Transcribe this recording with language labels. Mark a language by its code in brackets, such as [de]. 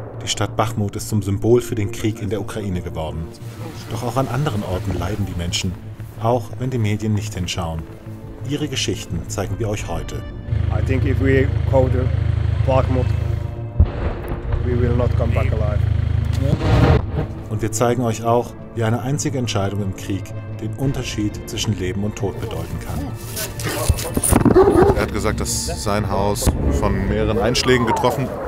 [de] Die Stadt Bachmut ist zum Symbol für den Krieg in der Ukraine geworden. Doch auch an anderen Orten leiden die Menschen, auch wenn die Medien nicht hinschauen. Ihre Geschichten zeigen wir euch heute. [en] I think if we go to Bachmut, we will not come back alive. [de] Und wir zeigen euch auch, wie eine einzige Entscheidung im Krieg den Unterschied zwischen Leben und Tod bedeuten kann. Er hat gesagt, dass sein Haus von mehreren Einschlägen getroffen.